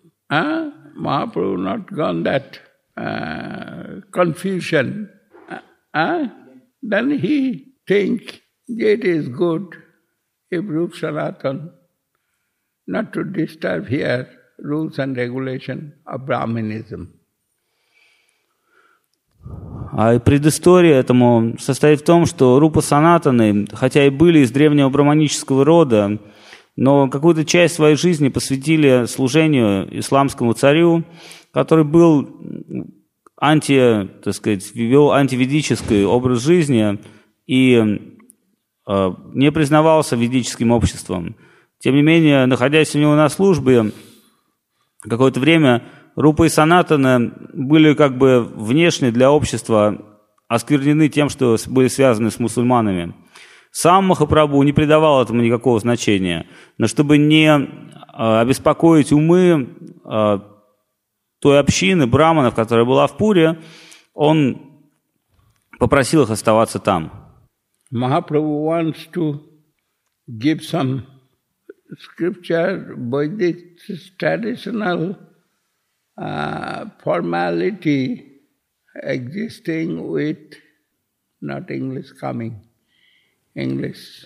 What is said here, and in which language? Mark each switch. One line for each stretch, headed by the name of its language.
English: Mahaprabhu not gone that confusion. Then he think. It is good if Rupa Sanatan not to disturb here rules and regulation of Brahminism.
Russian: А предыстория этому состоит в том, что Рупа Санатаны, хотя и были из древнего брахманического рода, но какую-то часть своей жизни посвятили служению исламскому царю, который был вел антиведический образ жизни и не признавался ведическим обществом. Тем не менее, находясь у него на службе, какое-то время Рупа и Санатана были как бы внешне для общества осквернены тем, что были связаны с мусульманами. Сам Махапрабху не придавал этому никакого значения. Но чтобы не обеспокоить умы той общины браманов, которая была в Пуре, он попросил их оставаться там.
English: Mahaprabhu wants to give some scripture, Vedic traditional formality existing with, not English coming, English.